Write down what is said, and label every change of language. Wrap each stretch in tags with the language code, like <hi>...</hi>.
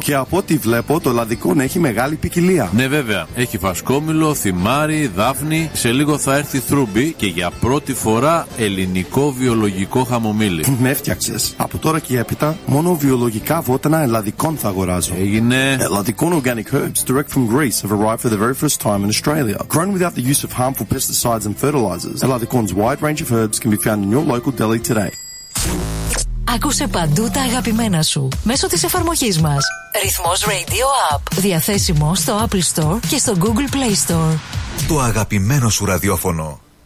<el>Και από ό,τι βλέπω το ελλαδικό έχει μεγάλη ποικιλία. Ναι, βέβαια. Έχει φασκόμηλο, θυμάρι, δάφνη. Σε λίγο θα έρθει θρούμπι και για πρώτη φορά ελληνικό βιολογικό χαμομήλι. Με έφτιαξες. Από τώρα και έπειτα, μόνο βιολογικά βότανα ελλαδικών θα αγοράζω. Έγινε.</el> <en>Ελλαδικών organic herbs direct from Greece have arrived for the very first time in Australia. Grown without the use of harmful pesticides and fertilizers, Ελλαδικών's wide range of herbs can be found in your local deli today.</en> <el>Ακούσε παντού τα αγαπημένα σου μέσω της εφαρμογής μας. Ρυθμός Radio App. Διαθέσιμο στο Apple Store και στο Google Play Store. Το αγαπημένο σου ραδιόφωνο.</el>